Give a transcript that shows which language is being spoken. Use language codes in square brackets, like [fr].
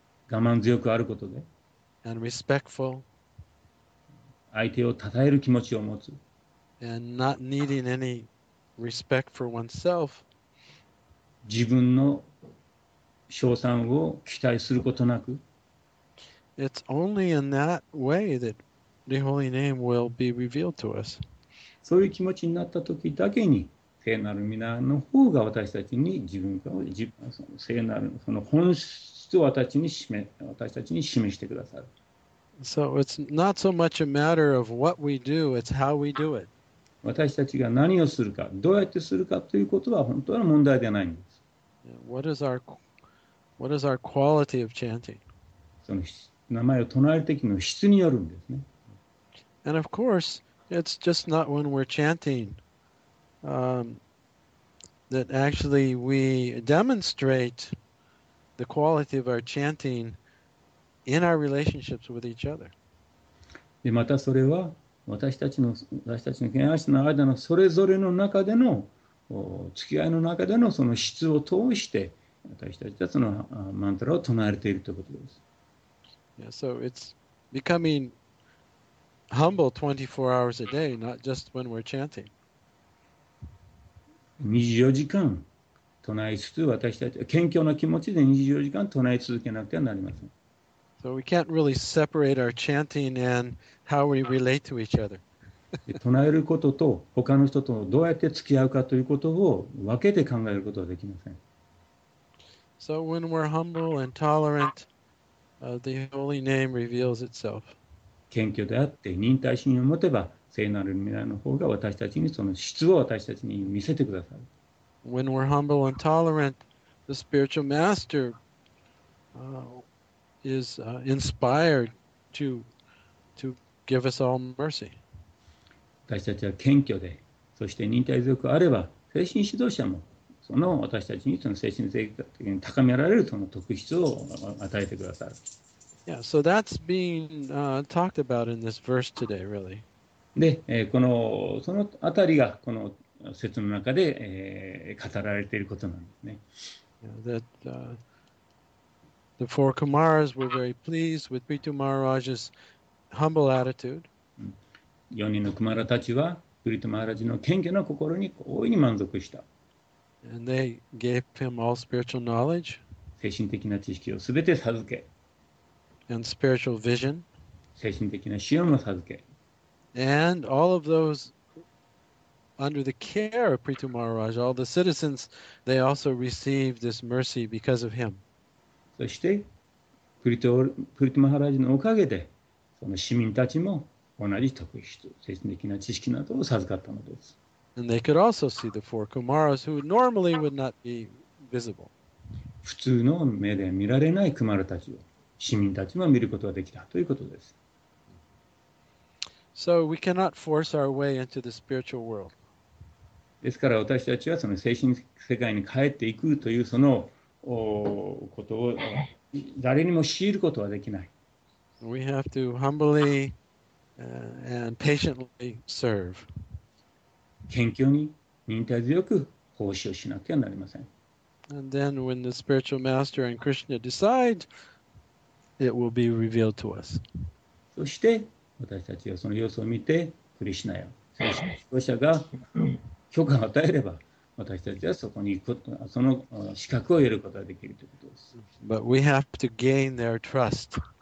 [ja] 我慢強くあることで、 [en] and respectful, [ja] 相手を称える気持ちを持つ、 [en] and not needing any respect for oneself, [ja] 自分の称賛を期待することなく、 [en] It's only in that way that the Holy Name will be revealed to us. [ja] そういう気持ちになった時だけに、聖なる御名の方が私たちに自分が自分その聖なるその本質を私たちに示してくださる。 [en] So it's not so much a matter of what we do, it's how we do it. [ja] 私たちが何をするか、どうやってするかということは本当は問題ではないんです。 [en] What is our quality of chanting? [ja] その名前を唱える時の質によるんですね。 [en] And of course, it's just not when we're chanting, that actually we demonstrate the quality of our chanting in our relationships with each other. [ja] でまたそれは私たちの喧嘩の間のそれぞれの中での付き合いの中でのその質を通して私たちはそのマントラを唱えているということです。 [en] Yeah, so it's becoming humble 24 hours a day, not just when we're chanting. [ja] 24時間唱えつつ私たち謙虚な気持ちで24時間唱え続けなくてはなりません。 [en] So we can't really separate our chanting and how we relate to each other. [ja] 唱えることと他の人とどうやって付き合うかということを分けて考えることはできません。 [en] So when we're humble and tolerant, the Holy Name reveals itself. [ja] 謙虚であって忍耐心を持てば、聖なる御名の方が私たちにその質を私たちに見せてくださる。 [en] When we're humble and tolerant, the spiritual master, is, inspired to give us all mercy. [ja] 私たちは謙虚で、そして忍耐強くあれば、精神指導者も、その私たちにその精神的に高められるその特質を与えてくださる。 [en] Yeah, so that's being, talked about in this verse today, really. [ja] で、このそのあたりがこの説の中で、語られていることなんですね。 [en] Yeah, that, the four Kumaras were very pleased with Prithu Maharaj's humble attitude. [ja] 4人のクマラたちはプリトゥ・マハラジの謙虚な心に大いに満足した。 [en] And they gave him all spiritual knowledge. [ja] 精神的な知識をすべて授け。 [en] And spiritual vision. [ja] 精神的な視野も授け。 [en] And all of those under the care of Prithu Maharaj, all the citizens, they also received this mercy because of him. [ja] そして、プリトゥ・マハラジのおかげで、その市民たちも同じ特質、精神的な知識などを授かったのです。 [en] And they could also see the four Kumaras who normally would not be visible. [ja] 普通の目で見られないクマラたちを市民たちも見ることができたということです。 [en] So we cannot force our way into the spiritual world. [ja] ですから私たちはその精神世界に帰っていくというそのことを誰にも強いることはできない。 [en] We have to humbly and patiently serve. [ja] 謙虚に忍耐強く奉仕をしなきゃなりません。 [en] And then when the spiritual master and Krishna decide, it will be revealed to us. [ja] そして私たちはその様子を見て、クリシナや聖書指導者が許可を与えれば、私たちはそこに行くこと、その資格を得ることができるということです。 [en] But we have to gain their trust.